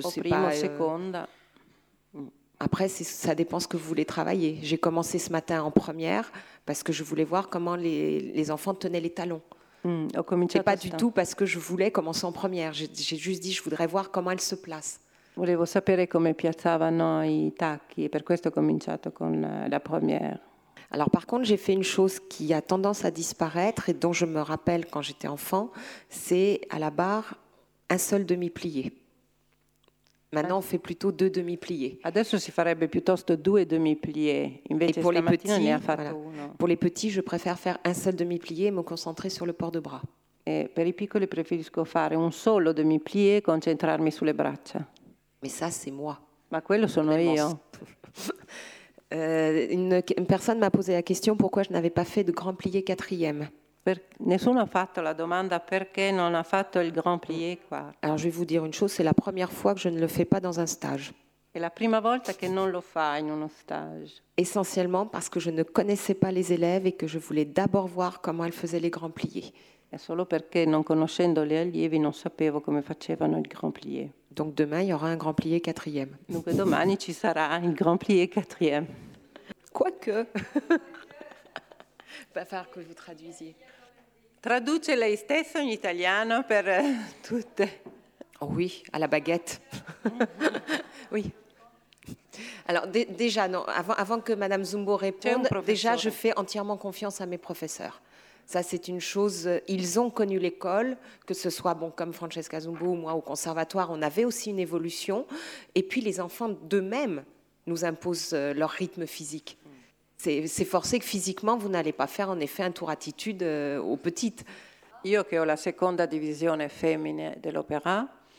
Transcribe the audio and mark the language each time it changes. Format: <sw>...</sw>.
<fr>c'est pas.</fr> <it>Prima, seconda.</it> <fr>Après, ça dépend ce que vous voulez travailler. J'ai commencé ce matin en première parce que je voulais voir comment les enfants tenaient les talons.</fr> <it>Cominciato.</it> <fr>Et pas du tout parce que je voulais commencer en première. J'ai juste dit, je voudrais voir comment elles se placent.</fr> <it>Volevo sapere come piazzavano i tacchi e per questo ho cominciato con la première.</it> <fr>Alors par contre, j'ai fait une chose qui a tendance à disparaître et dont je me rappelle quand j'étais enfant, c'est à la barre un seul demi-plié. Maintenant, on fait plutôt deux demi-pliés.</fr> <it>Adesso si farebbe piuttosto due demi-pliés. Invece</it> <fr>et pour les petits,</fr> <it>ne ha fatto</it> <fr>pour les petits, je préfère faire un seul demi-plié et me concentrer sur le port de bras.</fr> <it>Et per i piccoli preferisco fare un solo demi-plié, concentrarmi sulle braccia.</it> <fr>Mais ça c'est moi.</fr> <it>Ma quello sono io.</it> <fr>Une personne m'a posé la question pourquoi je n'avais pas fait de grand plié quatrième.</fr> <it>Nessuno ha fatto la domanda perché non ha fatto il grand plié quarto.</it> <fr>Alors je vais vous dire une chose, c'est la première fois que je ne le fais pas dans un stage.</fr> <it>È la prima volta che non lo fa in uno stage.</it> <fr>Essentiellement parce que je ne connaissais pas les élèves et que je voulais d'abord voir comment elles faisaient les grands pliés.</fr> <it>È solo perché non conoscendo gli allievi non sapevo come facevano il grand plié.</it> <fr>Donc demain il y aura un grand plié quatrième.</fr> <it>Dunque domani ci sarà il grand plié quatrième.</it> <fr>Quoique. Va falloir que vous traduisiez.</fr> <it>Traduce lei stessa in italiano per tutte.</it> <fr>Oh oui, à la baguette. Oui. Alors déjà, non, avant que Madame Zumbo réponde, déjà je fais entièrement confiance à mes professeurs. Ça, c'est une chose, ils ont connu l'école, que ce soit bon, comme Francesca Zumbo ou moi au conservatoire, on avait aussi une évolution. Et puis les enfants d'eux-mêmes nous imposent leur rythme physique. C'est forcé que physiquement, vous n'allez pas faire en effet un tour attitude aux petites.</fr> <it>Io che ho la seconda divisione femmine dell'opera.</it>